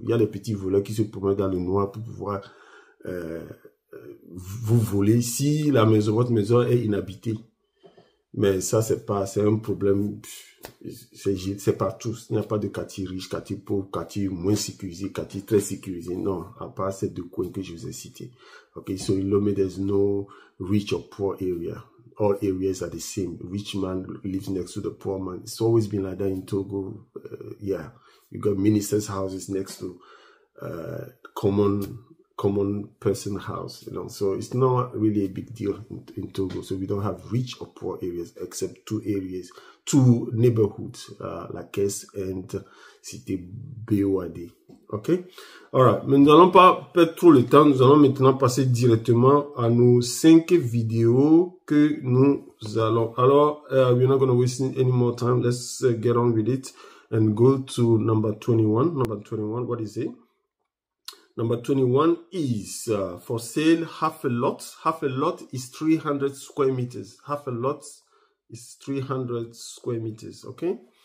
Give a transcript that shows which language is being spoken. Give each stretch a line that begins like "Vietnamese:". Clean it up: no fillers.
French: Il y a les petits voleurs qui se promènent dans le noir pour pouvoir vous voler si la maison, votre maison est inhabitée. Mais ça, c'est un problème. C'est partout. Il n'y a pas de quartier riche, quartier pauvre, quartier moins sécurisé, quartier très sécurisé. Non, à part ces deux coins que je vous ai cités.
English: Okay, so in Lomé, there's no rich or poor area. All areas are the same. Rich man lives next to the poor man. It's always been like that in Togo. Yeah, you got ministers' houses next to common person house. You know, so it's not really a big deal in Togo. So we don't have rich or poor areas, except two areas, two neighborhoods, La Caisse and Cité BOAD. OK? All right.
French: Mais nous n'allons pas perdre trop le temps. Nous allons maintenant passer directement à nos 5 vidéos que nous allons.
English: Alors, we're not going to waste any more time. Let's get on with it and go to number 21. Number 21, what is it? Number 21 is for sale half a lot. Half a lot is 300 square meters. Half a lot is 300 square meters. OK?